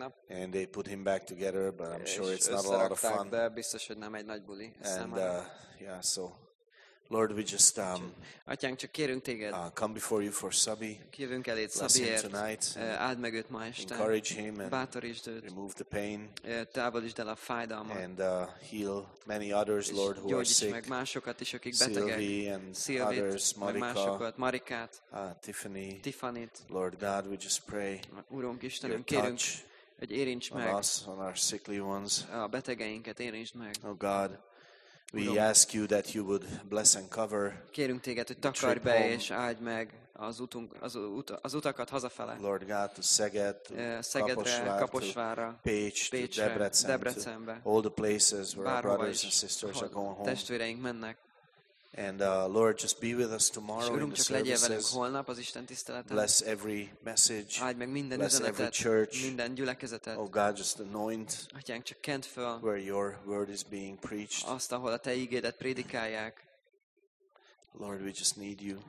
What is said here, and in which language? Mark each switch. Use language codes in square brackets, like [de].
[en] And they put him back together, but I'm sure it's not a lot of fun. [hu] De biztos, hogy nem egy nagy buli. [en] So Lord, we just [hu] Atyánk, csak kérünk téged. [en] Come before you for Szabi. [hu] Kérünk eléd Szabiért [en] tonight. [hu] Áld meg őt ma este. [en] Encourage him and [hu] bátorítsd őt. [en] Remove the pain. [hu] Távolítsd el a fájdalmat. [en] And heal many others, Lord, who are sick. [hu] Meg másokat is, akik betegek. [en] Sylvie, others, [hu] Marikát. [en] Tiffany. Lord God, we just pray. [hu] Urunk Istenünk, kérünk, hogy érints meg. [en] On our sickly ones. [hu] A betegeinket érints meg. [en] Oh God. We ask you that you would bless and cover. [hu] Kérünk téged, hogy takarj be és áld meg az utakat hazafele. [en] Lord God, to Szeged, [hu] Szegedre, Kaposvárra, Pécsre, Debrecenbe. [en] All the places where our brothers and sisters are going home. [hu] Testvéreink mennek. [en] And Lord, just be with us tomorrow. [hu] Urunk, [en] in the services. [hu] Holnap az Isten tiszteleten. [en] Bless every message. [hu] Áld meg minden [en] bless [hu] üzenetet, [en] every church. [hu] Minden gyülekezetet. [en] Oh God, just anoint. [hu] Atyánk, csak kent föl. [en] Where your word is being preached. [hu] Azt, ahol a te ígédet prédikálják. [en] Lord, we just need you.